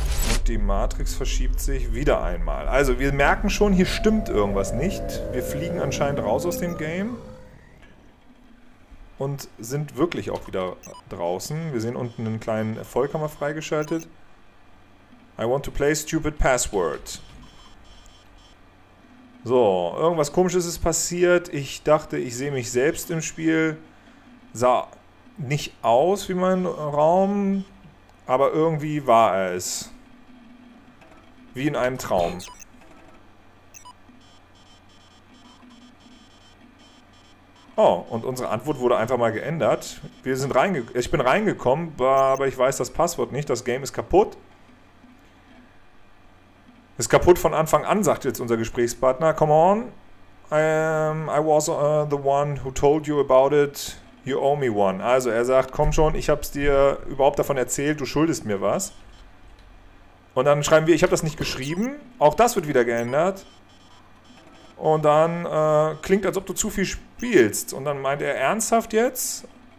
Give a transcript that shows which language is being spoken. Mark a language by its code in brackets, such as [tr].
[de] Und die Matrix verschiebt sich wieder einmal. Also, wir merken schon, hier stimmt irgendwas nicht. Wir fliegen anscheinend raus aus dem Game. Und sind wirklich auch wieder draußen. Wir sehen unten einen kleinen Erfolg haben wir freigeschaltet. [en] I want to play stupid password. [de] So, irgendwas Komisches ist passiert. Ich dachte, ich sehe mich selbst im Spiel. Sah nicht aus wie mein Raum, aber irgendwie war er es. Wie in einem Traum. Oh, und unsere Antwort wurde einfach mal geändert. Ich bin reingekommen, aber ich weiß das Passwort nicht. Das Game ist kaputt. Ist kaputt von Anfang an, sagt jetzt unser Gesprächspartner. [en] Come on. I was the one who told you about it. You owe me one. [de] Also er sagt, komm schon, ich hab's dir überhaupt davon erzählt. Du schuldest mir was. Und dann schreiben wir, ich habe das nicht geschrieben. Auch das wird wieder geändert. Und dann klingt, als ob du zu viel spielst. Und dann meint er, ernsthaft jetzt?